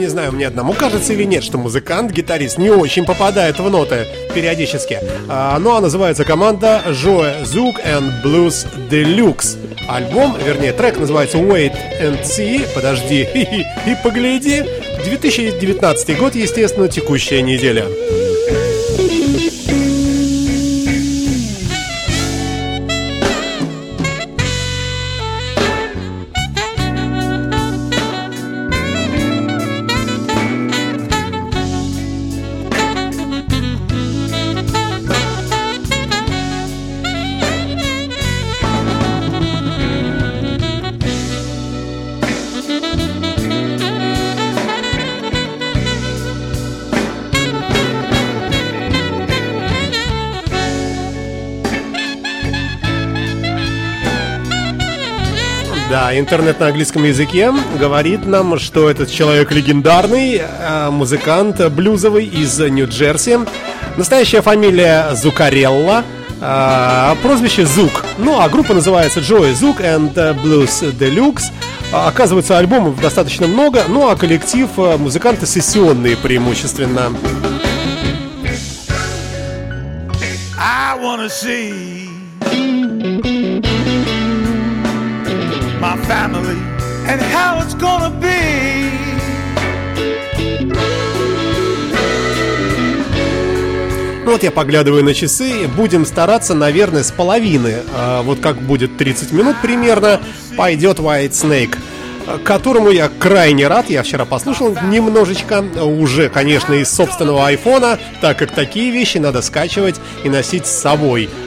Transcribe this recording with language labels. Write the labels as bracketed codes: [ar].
[ru] Мне одному кажется или нет, что музыкант, гитарист не очень попадает в ноты периодически. Ну а называется команда Joe Zook and Blues Deluxe. Альбом, вернее трек называется Wait and See, подожди и погляди. 2019 год, естественно, текущая неделя. Интернет на английском языке говорит нам, что этот человек легендарный, музыкант блюзовый из Нью-Джерси. Настоящая фамилия Зукарелла, прозвище Зук. Ну а группа называется Joe Zook and Blues Deluxe. Оказывается, альбомов достаточно много, ну а коллектив музыканты сессионные преимущественно. [en] I wanna see my family and how it's gonna be. [ru] Вот я поглядываю на часы. Будем стараться, наверное, с половины. Вот как будет 30 минут примерно, пойдет Whitesnake, которому я крайне рад. Я вчера послушал немножечко, уже, конечно, из собственного айфона, так как такие вещи надо скачивать и носить с собой.